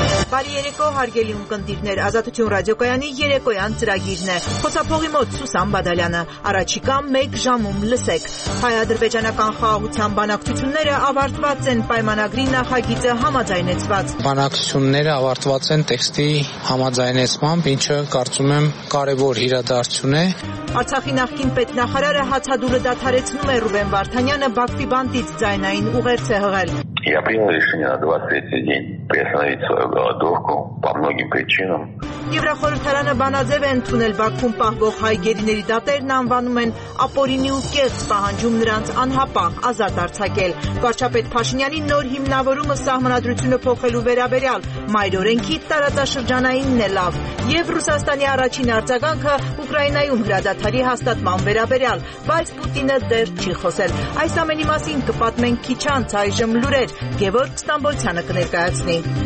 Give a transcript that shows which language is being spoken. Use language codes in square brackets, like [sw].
[hy] բարի երեկո, հարգելի ուղդիրներ, Ազատություն ռադիոկայանի երեկոյան ծրագիրն է։ Խոսափողի մոտ Սուսան Բադալյանը, առաջիկա 1 ժամում լսեք։ Հայ-ադրբեջանական խաղաղության բանակցությունները ավարտված են պայմանագրի նախագիծը համաձայնեցված։ Բանակցությունները ավարտված են տեքստի համաձայնեցմամբ, ինչը կարծում եմ կարևոր իրադարձություն է։ Արցախի նախկին պետնախարարը հացադուլը դադարեցնում է Ռուբեն Վարդանյանը Բաքվի բանտից ձայնային ուղերձ է հղել։ [ru] Я принял решение на 23-й день приостановить свою голодовку по многим причинам. [hy] Եվրախորհրդարանը բանաձև է ընդունել Բաքվում պահվող հայ գերիների դատերն անվանում են Ապորինի ու կեղծ պահանջում նրանց անհապաղ ազատ արձակել։ Վարչապետ Փաշինյանի նոր հիմնավորումը սահմանադրությունը փոխելու վերաբերյալ մայրօրենքի տարածաշրջանայինն է լավ, եւ Ռուսաստանի առաջին արձագանքը Ուկրաինայում հրադադարի հաստատման վերաբերյալ, բայց Պուտինը դեռ չի խոսել։ Այս ամենի մասին կպատմեն քիչ անց այժմ լուրեր Գևորգ Ստամբոլցյանը կներկայացնի։